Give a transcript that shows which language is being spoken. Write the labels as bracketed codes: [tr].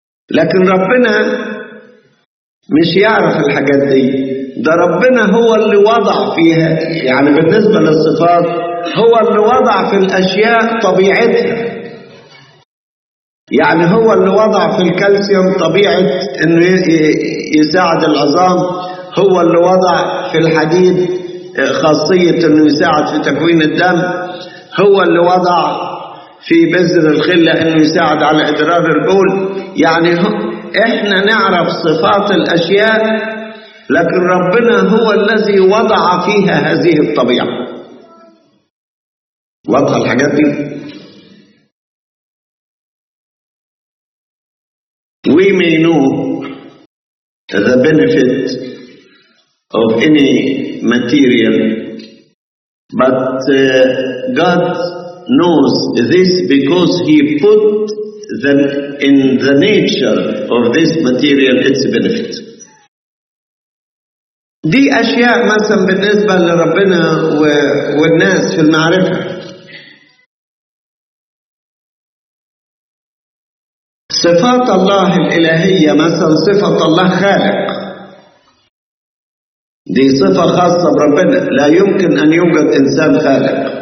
[ar] لكن ربنا مش يعرف الحاجات دي، ده ربنا هو اللي وضع فيها، يعني بالنسبة للصفات هو اللي وضع في الأشياء طبيعتها، يعني هو اللي وضع في الكالسيوم طبيعة انه يساعد العظام، هو اللي وضع في الحديد خاصية انه يساعد في تكوين الدم، هو اللي وضع في بذر الخلة انه يساعد على إدرار البول. يعني احنا نعرف صفات الأشياء، لكن ربنا هو الذي وضع فيها هذه الطبيعة. واضح الحاجات دي؟ [en] We may know the benefit of any material, but God knows this because He put them in the nature of this material its benefit. [ar] دي أشياء مثلا بالنسبة لربنا والناس في المعرفة. صفات الله الإلهية مثلا صفة الله خالق، دي صفة خاصة بربنا، لا يمكن أن يوجد إنسان خالق.